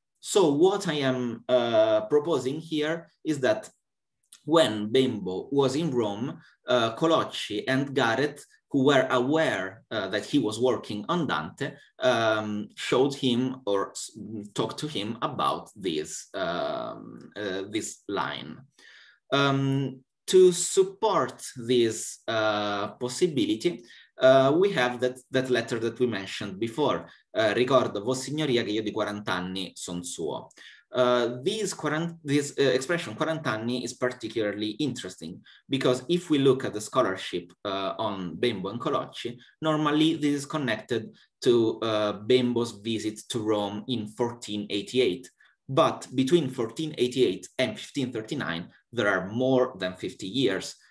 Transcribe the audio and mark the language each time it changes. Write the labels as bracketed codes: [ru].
[en] So what I am proposing here is that when Bembo was in Rome, Colocci and Garret, who were aware that he was working on Dante, showed him or talked to him about this, this line. To support this possibility, we have that letter that we mentioned before. [it] Ricordo, vos signoria, che io di 40 anni son suo. [en] This expression, quarant'anni, is particularly interesting because if we look at the scholarship on Bembo and Colocci, normally this is connected to Bembo's visit to Rome in 1488. But between 1488 and 1539, there are more than 50 years.